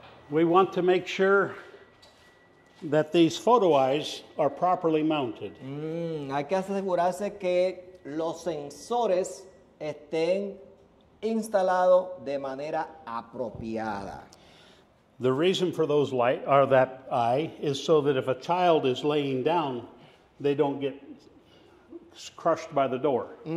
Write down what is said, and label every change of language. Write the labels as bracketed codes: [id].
[en] We want to make sure that these photo eyes are properly mounted. [es] Hay que asegurarse que los sensores estén instalado de manera apropiada. [en] The reason for those light or that eye is so that if a child is laying down, they don't get crushed by the door.